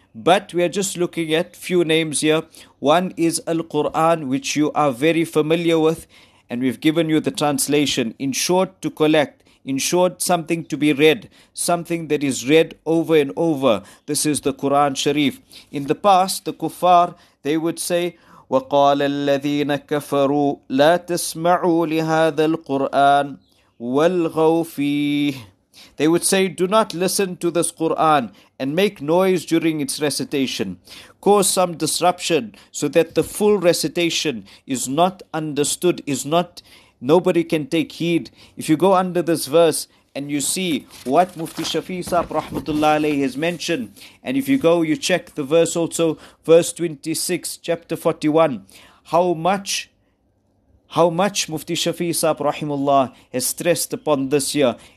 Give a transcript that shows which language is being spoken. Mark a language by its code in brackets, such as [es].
[en] But we are just looking at few names here. One is Al-Quran, which you are very familiar with, and we've given you the translation. In short, to collect. In short, something to be read. Something that is read over and over. This is the Quran Sharif. In the past, the kuffar, they would say, [ar] وَقَالَ الَّذِينَ كَفَرُوا لَا تَسْمَعُوا لِهَذَا الْقُرْآنِ وَالْغَوْ فِيهِ. [en] They would say, do not listen to this Qur'an and make noise during its recitation. Cause some disruption so that the full recitation is not understood, is not, nobody can take heed. If you go under this verse and you see what Mufti Shafi'i Sahib Rahmatullah Alayhi has mentioned, and if you go, you check the verse also, verse 26, chapter 41, how much Mufti Shafi'i Sahib Rahimullah has stressed upon this year.